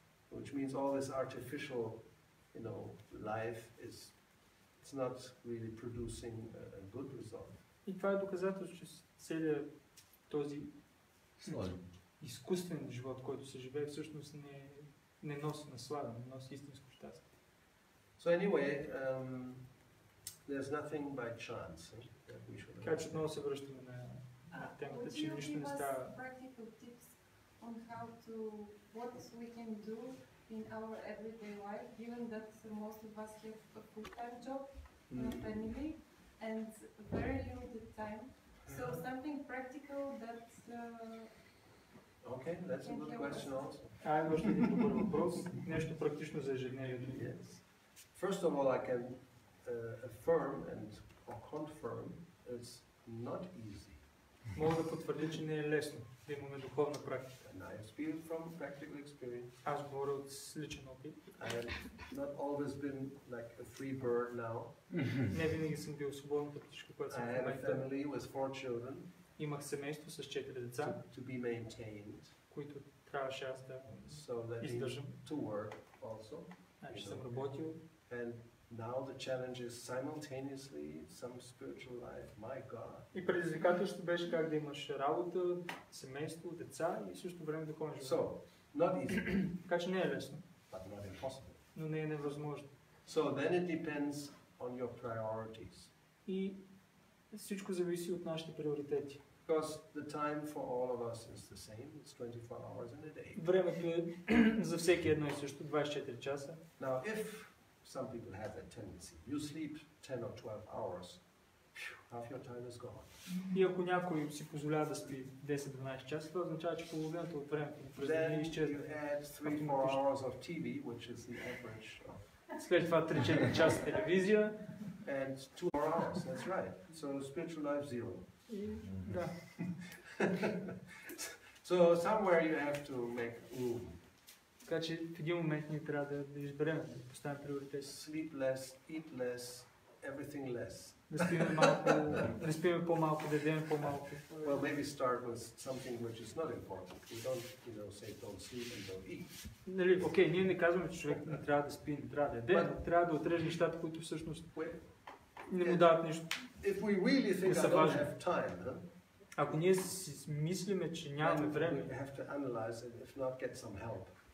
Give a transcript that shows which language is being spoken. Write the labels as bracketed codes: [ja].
[en] Which means all this artificial, you know, life is it's not really producing a good result. [bg] И това е доказателство, че целият този изкуствен живот, който се живее, всъщност не носи наслада, не носи истинско щастие. [en] So anyway, there's nothing by chance that we should. [bg] Така че отново се връщаме на темата, че нищо не става. [en] Would you give us practical tips on how to, what we can do in our everyday life, given that most of us have a full-time job in a family and very limited time? So something practical that okay, that's a good question also. [bg] Ай, може да е добър въпрос. Нещо практично за ежедневието. [en] Yes. First of all, I can affirm and or confirm it's not easy. [bg] Мога да потвърди, че не е лесно да имаме духовна практика. [en] And I have been from practical experience. [bg] Аз говоря от личен опит. [en] I have not always been like a free bird now. [bg] Не винаги съм бил свободен пътничка, която съм в момента. [en] I have a family with 4 children. [bg] Имах семейство с 4 деца. [en] To be maintained. [bg] Които трябваше аз да издържам. [en] To work also. [bg] Значи съм работил. [en] And now the challenge is simultaneously some spiritual life, my God. [bg] И предизвикателството беше как да имаш работа, семейство, деца и също време да конжи. [en] So, not easy. [bg] Така че не е лесно. [en] But not impossible. [bg] Но не е невъзможно. [en] So then it depends on your priorities. [bg] И всичко зависи от нашите приоритети. [en] Because the time for all of us is the same, it's 24 hours in a day. [bg] Времето е за всеки едно и също, 24 часа. [en] Now, if some people have that tendency. You sleep 10 or 12 hours, half your time is gone. [bg] И ако някой си позволява да спи 10-12 часа, това означава, че половината от времето изчезва. След това 3-4 часа телевизия. [en] And 2 hours, that's right. So spiritual life zero. [bg] Да. [en] So somewhere you have to make room. [bg] Така че в един момент ние трябва да изберем, да поставим приоритет. [en] Sleep less, eat less, everything less. [bg] Да спим малко, да спим по-малко, да ядем по-малко. [en] Well, maybe start with something which is not important. We don't, you know, say don't sleep and don't eat. [bg] Нали, окей, ние не казваме, че човек не трябва да спи, не трябва да яде, но трябва да отрежи нещата, които всъщност не му дават нищо. [en] If we really think I don't have time, [bg] ако ние си мислиме, че нямаме време, [en] we have to analyze it, if not get some help.